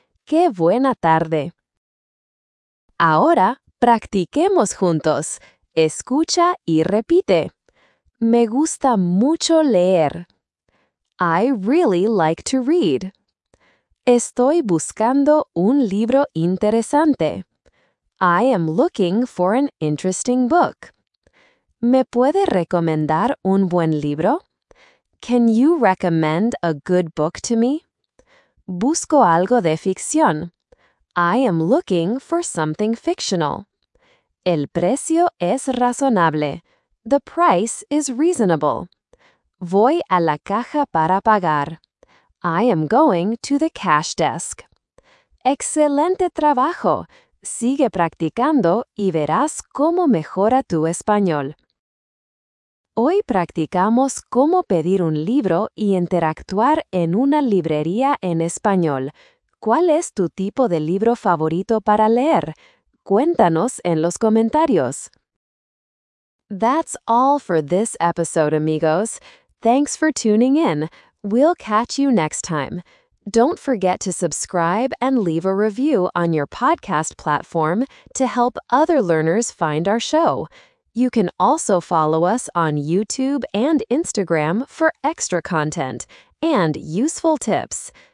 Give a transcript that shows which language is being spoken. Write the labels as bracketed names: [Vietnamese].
[Spanish] ¡Qué buena tarde! Ahora, practiquemos juntos. Escucha y repite. Me gusta mucho leer. [English] I really like to read. [Spanish] Estoy buscando un libro interesante. [English] I am looking for an interesting book. [Spanish] ¿Me puede recomendar un buen libro? [English] Can you recommend a good book to me? [Spanish] Busco algo de ficción. [English] I am looking for something fictional. [Spanish] El precio es razonable. [English] The price is reasonable. [Spanish] Voy a la caja para pagar. [English] I am going to the cash desk. [Spanish] ¡Excelente trabajo! Sigue practicando y verás cómo mejora tu español. Hoy practicamos cómo pedir un libro y interactuar en una librería en español. ¿Cuál es tu tipo de libro favorito para leer? Cuéntanos en los comentarios. [English] That's all for this episode, amigos. Thanks for tuning in. We'll catch you next time. Don't forget to subscribe and leave a review on your podcast platform to help other learners find our show. You can also follow us on YouTube and Instagram for extra content and useful tips.